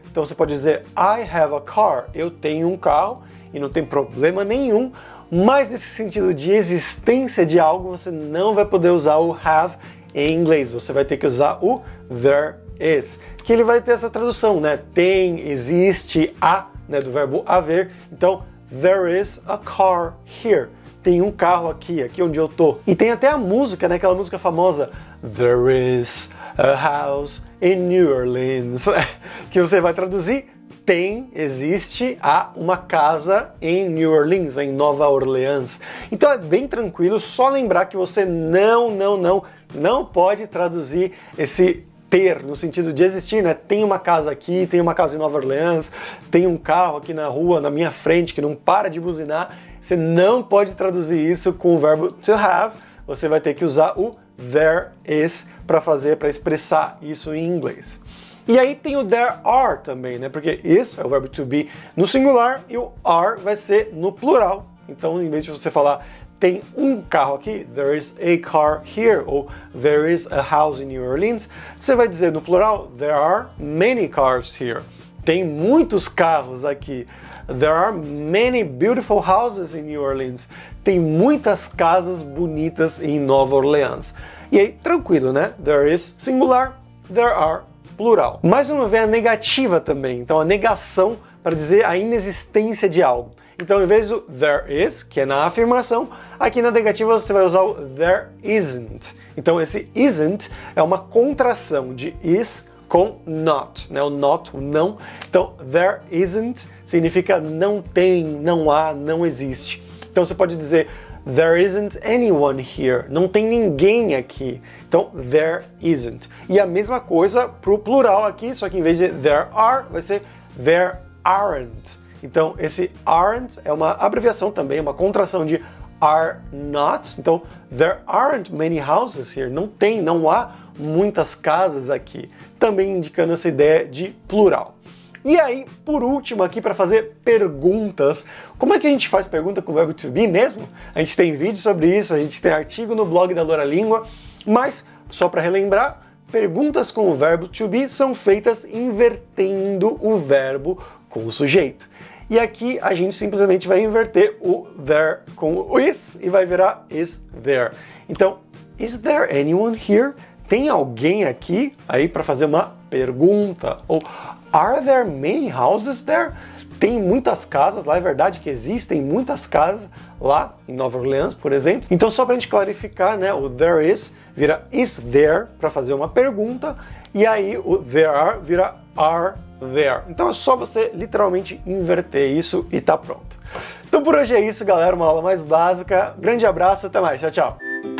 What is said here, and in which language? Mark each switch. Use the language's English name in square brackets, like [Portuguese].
[Portuguese] Então você pode dizer [English] I have a car. [Portuguese] Eu tenho um carro e não tem problema nenhum. Mas nesse sentido de existência de algo, você não vai poder usar o have em inglês. Você vai ter que usar o there is. Que ele vai ter essa tradução, né? Tem, existe, há, né? Do verbo haver. [English] Então, there is a car here. [Portuguese] Tem um carro aqui, aqui onde eu tô. E tem até a música, né? Aquela música famosa. [English] There is a house in New Orleans. [Portuguese] Que você vai traduzir. Tem, existe, há uma casa em New Orleans, em Nova Orleans. Então é bem tranquilo, só lembrar que você não pode traduzir esse ter, no sentido de existir, né? Tem uma casa aqui, tem uma casa em Nova Orleans, tem um carro aqui na rua, na minha frente, que não para de buzinar. Você não pode traduzir isso com o verbo to have. Você vai ter que usar o there is para fazer, para expressar isso em inglês. E aí tem o there are também, né? Porque is é o verbo to be no singular e o are vai ser no plural. Então, em vez de você falar tem um carro aqui, [English] there is a car here, [Portuguese] ou [English] there is a house in New Orleans, [Portuguese] você vai dizer no plural, [English] there are many cars here. [Portuguese] Tem muitos carros aqui. [English] There are many beautiful houses in New Orleans. [Portuguese] Tem muitas casas bonitas em Nova Orleans. E aí, tranquilo, né? [English] There is singular, there are plural. [Portuguese] Mais uma vez, a negativa também. Então, a negação para dizer a inexistência de algo. Então, em vez do there is, que é na afirmação, aqui na negativa você vai usar o there isn't. Então, esse isn't é uma contração de is com not, né? O not, o não. Então, there isn't significa não tem, não há, não existe. Então, você pode dizer [English] there isn't anyone here. [Portuguese] Não tem ninguém aqui. Então, there isn't. E a mesma coisa para o plural aqui, só que em vez de there are, vai ser there aren't. Então, esse aren't é uma abreviação também, uma contração de are not. [English] Então, there aren't many houses here. [Portuguese] Não tem, não há muitas casas aqui. Também indicando essa ideia de plural. E aí, por último aqui, para fazer perguntas. Como é que a gente faz pergunta com o verbo to be mesmo? A gente tem vídeo sobre isso, a gente tem artigo no blog da Loura Língua. Mas, só para relembrar, perguntas com o verbo to be são feitas invertendo o verbo com o sujeito. E aqui a gente simplesmente vai inverter o there com o is e vai virar is there. [English] Então, is there anyone here? [Portuguese] Tem alguém aqui aí para fazer uma pergunta? [English] Ou are there many houses there? [Portuguese] Tem muitas casas lá, é verdade que existem muitas casas lá em Nova Orleans, por exemplo. Então, só para a gente clarificar, né, o there is vira is there para fazer uma pergunta e aí o there are vira are there. Então é só você literalmente inverter isso e tá pronto. Então por hoje é isso, galera. Uma aula mais básica. Grande abraço, até mais. Tchau, tchau.